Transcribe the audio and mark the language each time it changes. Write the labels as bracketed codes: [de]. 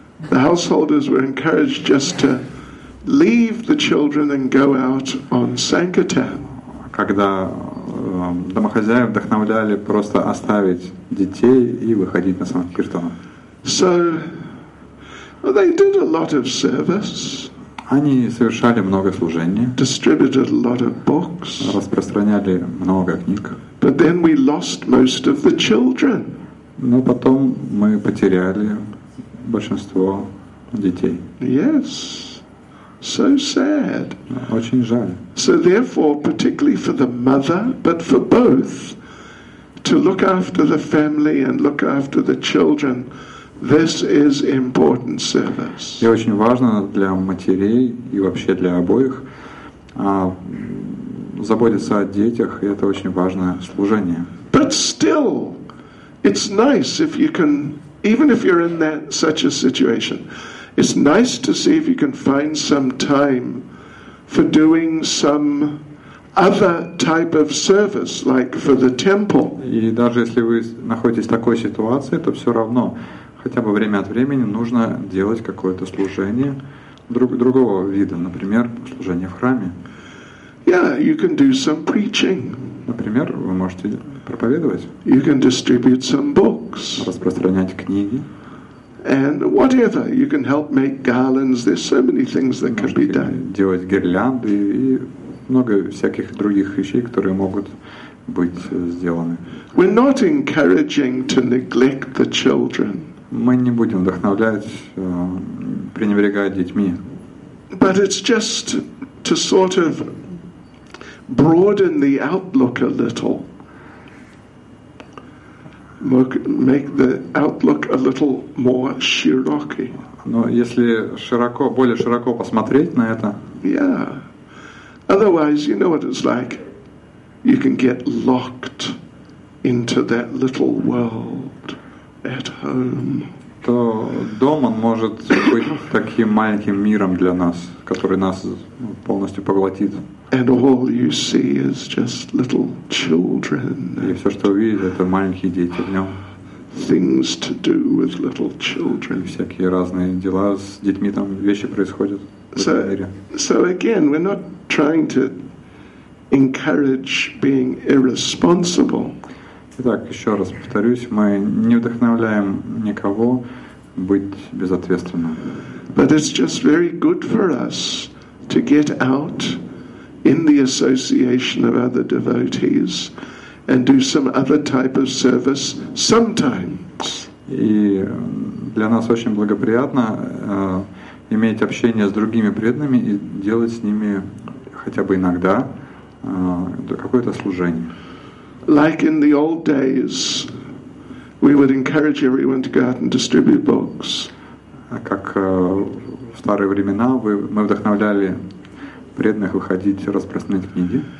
[en] The householders were encouraged just to leave the children and go out on sankirtan. [ru] Когда домохозяев вдохновляли просто оставить детей и выходить на санкиртан. [en] So, well, they did a lot of service. [ru] Они совершали много служения. [en] Distributed a lot of books. [ru] Распространяли много книг. [en] But then we lost most of the children. [ru] Но потом мы потеряли большинство детей. [en] Yes. So sad. [ru] Очень жаль. [en] So therefore, particularly for the mother, but for both, to look after the family and look after the children, this is important service. [ru] И очень важно для матерей и вообще для обоих заботиться о детях, и это очень важное служение. [en] But still, it's nice if you can, even if you're in that such a situation, it's nice to see if you can find some time for doing some other type of service, like for the temple. [ru] И даже если вы находитесь в такой ситуации, то все равно хотя бы время от времени нужно делать какое-то служение другого вида, например, служение в храме. [en] Yeah, you can do some preaching. [ru] Например, вы можете проповедовать. [en] You can distribute some books. [ru] Распространять книги. [en] And whatever, you can help make garlands. There's so many things that can be done. [ru] Делать гирлянды и много всяких других вещей, которые могут быть сделаны. [en] We're not encouraging to neglect the children. [ru] Мы не будем вдохновлять пренебрегать детьми. [en] But it's just to sort of broaden the outlook a little. Make the outlook a little more [ru] широкий. Но если широко, более широко посмотреть на это. [en] Yeah. Otherwise, you know what it's like. You can get locked into that little world at home. [ru] То дом, он может быть таким маленьким миром для нас, который нас полностью поглотит. [en] And all you see is just little children. [ru] И все, что вы видите, это маленькие дети в нем. [en] Things to do with little children. [ru] И всякие разные дела с детьми, там вещи происходят в этом мире. [en] So again, we're not trying to encourage being irresponsible. [ru] Итак, еще раз повторюсь, мы не вдохновляем никого быть безответственным. [en] But it's just very good for us to get out in the association of other devotees and do some other type of service sometimes. [ru] И для нас очень благоприятно иметь общение с другими преданными и делать с ними хотя бы иногда какое-то служение. [en] Like in the old days, we would encourage everyone to go out and distribute books. [ru] Как в старые времена мы вдохновляли преданных выходить распространять книги.